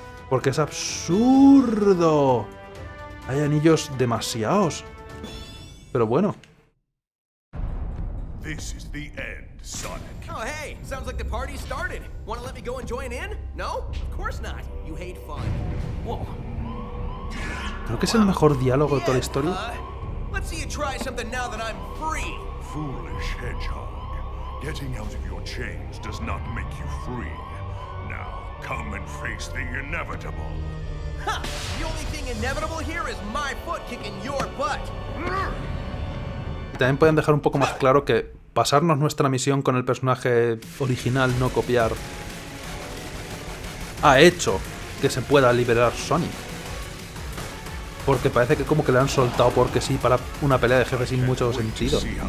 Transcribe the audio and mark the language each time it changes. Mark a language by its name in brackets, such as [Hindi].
[Spanish] Porque es absurdo. Hay anillos demasiados. Pero bueno. [English] This is the end, Sonic. Oh, hey, sounds like the party started. Wanna let me go and join in? No? Of course not. You hate fun. Whoa. [Spanish] Creo que es el mejor diálogo de toda la historia. [English] Let's see you try something now that I'm free. Foolish hedgehog. Getting out of your chains does not make you free. Now, come and face the inevitable. Ha! The only thing inevitable here is my foot kicking your butt. [Spanish] Y también pueden dejar un poco más claro que pasarnos nuestra misión con el personaje original, no copiar, ha hecho que se pueda liberar Sonic. Porque parece que como que le han soltado porque sí para una pelea de jefe sin mucho sentido.